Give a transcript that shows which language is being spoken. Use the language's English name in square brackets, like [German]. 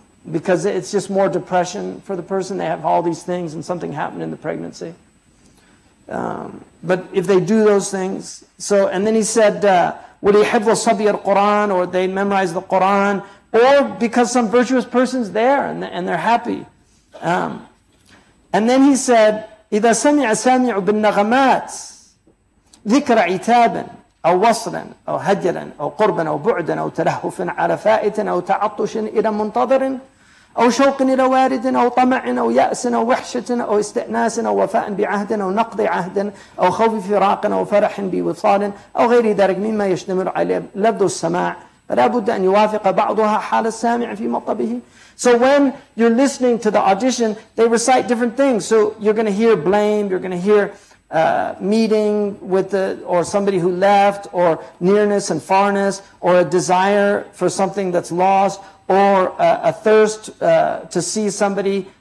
[English] Because it's just more depression for the person. They have all these things and something happened in the pregnancy. But if they do those things, so, and then he said, [Arabic] وَلِيحِفْظَ صَبِيَ الْقُرْآنِ, [English] or they memorize the Qur'an, or because some virtuous person's there and they're happy. [Arabic] And then he said, إِذَا سَمِعَ سَامِعُ بِالنَّغَمَاتِ ذِكْرَ عِتَابًا أو وصلا أو هجلا أو قربا أو بعدا أو تلهفا على فائت أو تعطش إلى منتظر أو شوق إلى وارد أو طمع أو يأس أو وحشة أو استئناس أو وفاء بعهد أو نقض عهد أو خوف فراق أو فرح بوصال أو غير ذلك مما يشتمل عليه لفظ السماع فلا بد أن يوافق بعضها حال السامع في مطلبه. [English] So when you're listening to the audition, they recite different things. So you're going to hear blame, you're going to hear meeting with the, or somebody who left, or nearness and farness, or a desire for something that's lost, or a thirst to see somebody,